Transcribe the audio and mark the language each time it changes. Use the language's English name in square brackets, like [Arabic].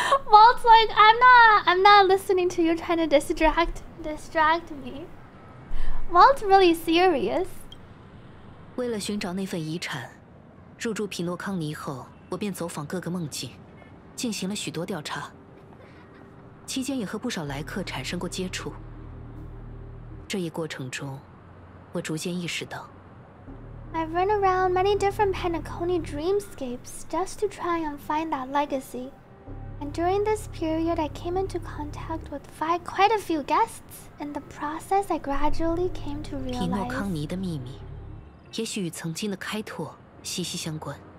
[English] Walt's like, I'm not listening to you trying to distract me. Walt's really serious. [Chinese] 为了寻找那份遗产，入住匹诺康尼后，我便走访各个梦境，进行了许多调查。期间也和不少来客产生过接触。这一过程中，我逐渐意识到， [English] I've run around many different penacony dreamscapes just to try and find that legacy. And during this period, I came into contact with quite a few guests. In the process, I gradually came to realize... [Chinese] 匹诺康尼的秘密也许与曾经的开拓息息相关。